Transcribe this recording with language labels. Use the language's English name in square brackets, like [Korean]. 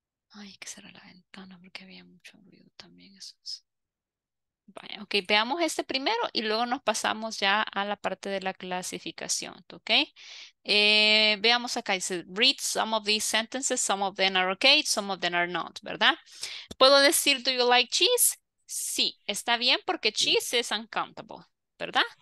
[Spanish] Ay, hay que cerrar la ventana porque había mucho ruido también. Eso es... Vaya, ok, veamos este primero y luego nos pasamos ya a la parte de la clasificación, ok. Veamos acá, dice, [English] read some of these sentences, some of them are okay, some of them are not, [Spanish] ¿verdad? ¿Puedo decir, [English] do you like cheese? [Spanish] Sí, está bien porque [English] cheese is uncountable, [Spanish] ¿verdad?